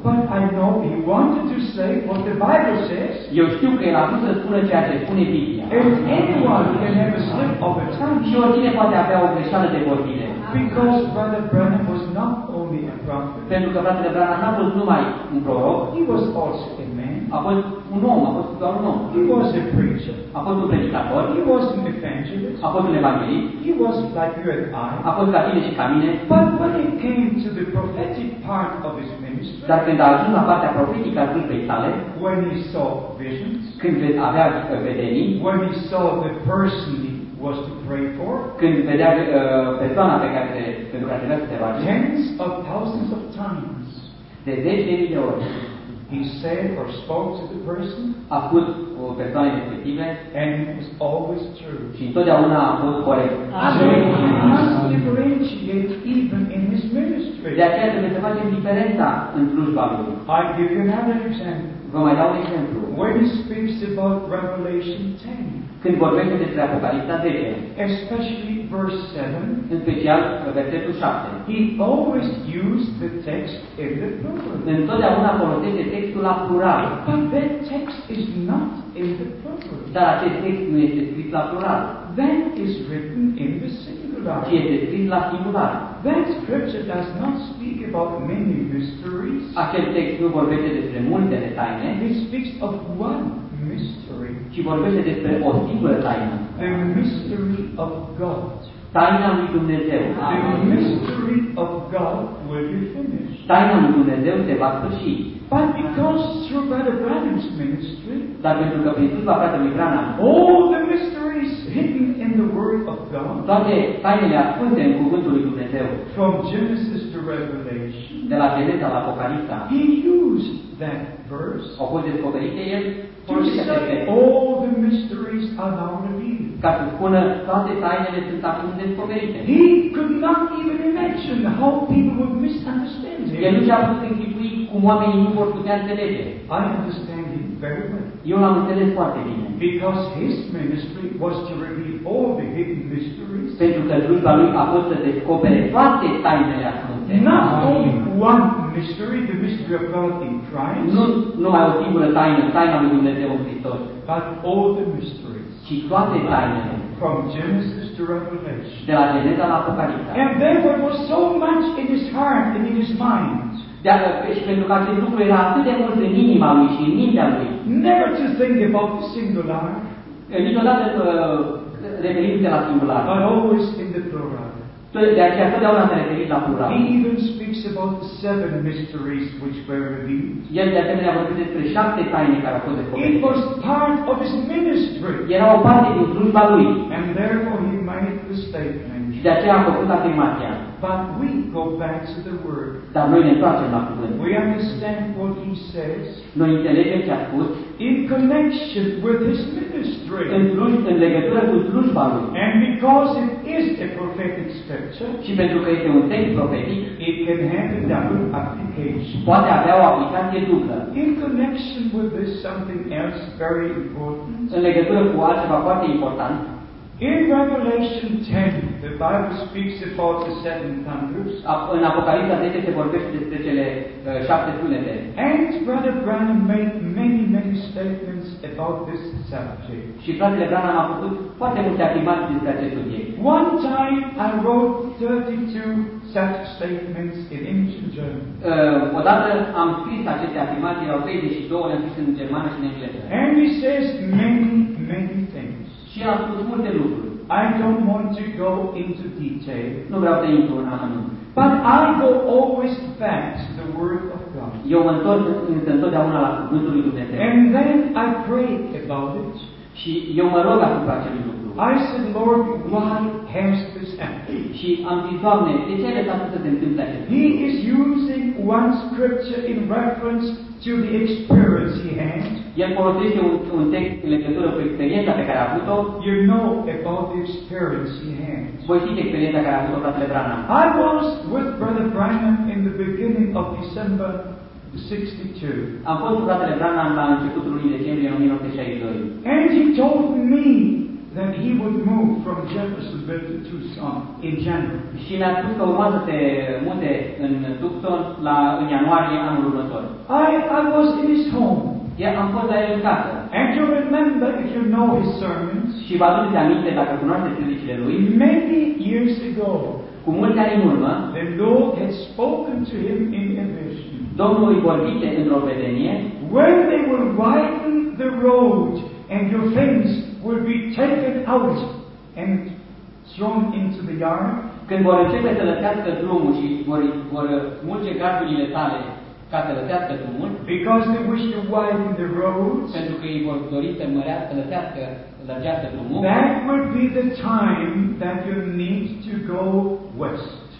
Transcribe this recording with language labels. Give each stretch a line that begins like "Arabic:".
English: But I know he wanted to say what the Bible says.
Romanian: Eu știu că el a vrut să spună ceea ce spune Biblia.
English: And anyone can have a slip of a tongue.
Romanian: Și oricine poate avea o greșeală de vorbire.
English: Because Brother Branham was not only a prophet.
Romanian: Pentru că fratele Branham n-a fost numai un proroc.
English: He was also a man.
Romanian: A fost un om, a fost doar un om.
English: He was a preacher.
Romanian: A fost un predicator.
English: He was an evangelist.
Romanian: A fost un evanghelist.
English: He was like you and I.
Romanian: A fost ca tine și ca mine.
English: But when it came to the prophetic part of his ministry,
Romanian: dar când a ajuns la partea profetică a slujbei sale,
English: when he saw visions,
Romanian: când avea vedenii,
English: when he saw the person was to pray for,
Romanian: când vedea persoana pe care se pentru care trebuia să se roage,
English: tens of thousands of times,
Romanian: de zeci de mii de ori,
English: He said or spoke to the person.
Romanian: A fost o persoană efectivă.
English: And it was always true.
Romanian: Și întotdeauna a fost corect.
English: Amen. Must differentiate even in his ministry.
Romanian: De aceea trebuie să facem diferența în slujba lui.
English: I give you another example.
Romanian: Vă mai dau un exemplu.
English: When he speaks about Revelation 10.
Romanian: Când vorbește despre Apocalipsa 10.
English: Especially verse 7.
Romanian: În special versetul 7.
English: He always used the text in the plural.
Romanian: Întotdeauna folosește textul la plural.
English: But that text is not in the plural.
Romanian: Dar acest text nu este scris la plural.
English: That is written in the singular.
Romanian: Ci este scris la singular.
English: That scripture does not speak about many mysteries.
Romanian: Acel text nu vorbește despre multe taine.
English: It speaks of one mystery.
Romanian: Ci vorbește despre o singură taină.
English: The mystery of God.
Romanian: Taina lui Dumnezeu.
English: The mystery of God will be finished.
Romanian: Taina lui Dumnezeu se va sfârși.
English: But because through Brother Branham's ministry,
Romanian: dar pentru că prin slujba fratelui Branham,
English: all the mysteries hidden in the Word of God,
Romanian: toate tainele ascunse în cuvântul lui Dumnezeu,
English: from Genesis to Revelation,
Romanian: de la Geneza la Apocalipsa,
English: he used that verse,
Romanian: au fost descoperite el,
English: to say all the mysteries are now revealed.
Romanian: Ca să spună, toate tainele sunt acum descoperite.
English: He could not even imagine how people would misunderstand him.
Romanian: El nu și-a putut închipui cum oamenii nu vor putea înțelege.
English: I understand him very well.
Romanian: Eu l-am înțeles foarte bine.
English: Because his ministry was to reveal all the hidden mysteries.
Romanian: Pentru că slujba lui a fost să descopere toate tainele ascunse.
English: Not only one mystery, the mystery of God in Christ.
Romanian: Nu numai o singură taină, taina lui Dumnezeu în Hristos.
English: But all the mysteries.
Romanian: Și toate tainele.
English: From Genesis to Revelation.
Romanian: De la Geneza la Apocalipsa.
English: And therefore was so much in his heart and in his mind.
Romanian: Și pentru că acest lucru era atât de mult în inima lui și în mintea lui.
English: Never to think about the singular.
Romanian: Niciodată referindu-te la singular.
English: But always in the plural.
Romanian: De aceea totdeauna se referit la plural.
English: He even speaks about the seven mysteries which were revealed.
Romanian: El de asemenea vorbește despre șapte taine care au fost descoperite.
English: It was part of his ministry.
Romanian: Era o parte din slujba lui.
English: And therefore he made the statement.
Romanian: De aceea a făcut afirmația.
English: But we go back to the word.
Romanian: Dar noi ne întoarcem la cuvânt.
English: We understand what he says.
Romanian: Noi înțelegem ce a spus.
English: In connection with his ministry.
Romanian: În legătură cu slujba lui.
English: And because it is a prophetic scripture.
Romanian: Și pentru că este un text profetic.
English: It can have a double application.
Romanian: Poate avea o aplicație dublă.
English: In connection with this something else very important.
Romanian: În legătură cu altceva foarte important.
English: In Revelation 10, the Bible speaks about the seven thunders.
Romanian: În Apocalipsa 10 se vorbește despre cele șapte sunete.
English: And Brother Branham made many, many statements about this subject.
Romanian: Și fratele Branham a făcut foarte multe afirmații despre acest subiect.
English: One time I wrote 32 such statements in ancient German.
Romanian: Odată am scris aceste afirmații, erau 32, le-am scris în germană și în engleză.
English: And he says many, many things.
Romanian: Și a spus multe lucruri.
English: I don't want to go into detail.
Romanian: Nu vreau să intru în anumit.
English: But I go always back to the Word of God.
Romanian: Eu mă întorc întotdeauna la cuvântul lui Dumnezeu.
English: And then I pray about it.
Romanian: Și eu mă rog asupra acelui lucru.
English: I said, Lord, why has this happened?
Romanian: Și am zis, Doamne, de ce le-a putut să se întâmple acest lucru?
English: He is using one scripture in reference to the experience he had.
Romanian: El folosește un text în legătură cu experiența pe care a avut-o.
English: You know about the experience he had.
Romanian: Voi știți experiența care a avut-o fratele Branham.
English: I was with Brother Branham in the beginning of December 62.
Romanian: Am fost cu fratele Branham la începutul lui decembrie 1962.
English: And he told me that he would move from Jeffersonville to Tucson in January.
Romanian: Și ne-a spus că urma să se mute în Tucson în ianuarie anul următor.
English: I was in his home.
Romanian: Yeah, am fost la el în casă.
English: And you remember if you know his sermons.
Romanian: Și vă aduceți aminte dacă cunoașteți predicile lui.
English: Many years ago.
Romanian: Cu mulți ani în urmă.
English: The Lord had spoken to him in a vision.
Romanian: Domnul îi vorbise într-o vedenie.
English: When they will widen the road and your things will be taken out and thrown into the yard.
Romanian: Când vor începe să lătească drumul și vor mulge gardurile tale ca să lătească drumul.
English: Because they wish to widen the roads.
Romanian: Pentru că ei vor dori să lătească drumul.
English: That would be the time that you need to go west.